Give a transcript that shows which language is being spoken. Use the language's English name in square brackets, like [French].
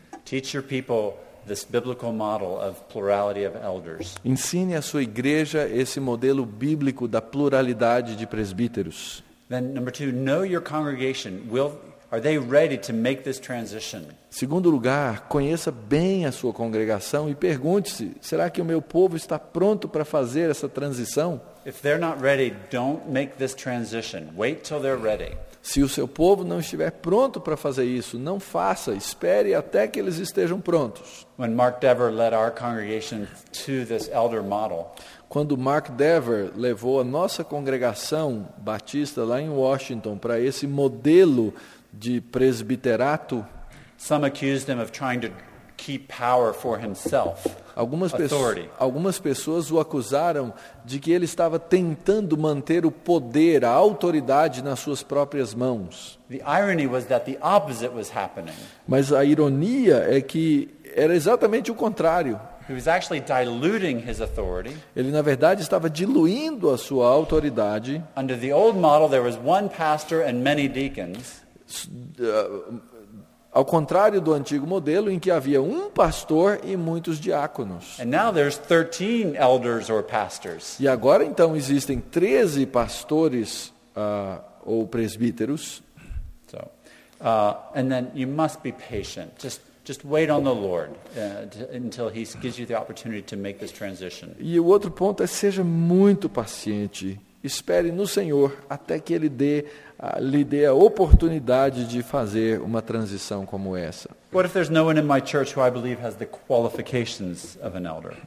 [English] Teach your people this biblical model of plurality of elders. [Portuguese] Ensine a sua igreja esse modelo bíblico da pluralidade de presbíteros. [English] Then number two, know your congregation. Are they ready to make this transition? [Portuguese] Segundo lugar, conheça bem a sua congregação e pergunte-se, será que o meu povo está pronto para fazer essa transição? [English] If they're not ready, don't make this transition. Wait till they're ready. [Portuguese] Se o seu povo não estiver pronto para fazer isso, não faça, espere até que eles estejam prontos. [English] When Mark Dever led our congregation to this elder model, [Portuguese] quando Mark Dever levou a nossa congregação batista lá em Washington para esse modelo de presbiterato, [English] Some accused him of trying to keep power for himself. [Portuguese] Algumas pessoas o acusaram de que ele estava tentando manter o poder, a autoridade nas suas próprias mãos. [English] The irony was that the opposite was happening. [Portuguese] Mas a ironia é que era exatamente o contrário. [English] He was actually diluting his authority. [Portuguese] Ele, na verdade, estava diluindo a sua autoridade. [English] Under the old model, there was one pastor and many deacons. [Portuguese] Ao contrário do antigo modelo, em que havia um pastor e muitos diáconos. [English] And now there's 13 elders or pastors. [Portuguese] E agora, então, existem 13 pastores ou presbíteros. [English] So, and then you must be patient. Just wait on the Lord until he gives you the opportunity to make this transition. [Portuguese] E o outro ponto é: seja muito paciente. Espere no Senhor até que ele lhe dê a oportunidade de fazer uma transição como essa. [English] What if there's no one in my church who I believe has the qualifications of an elder?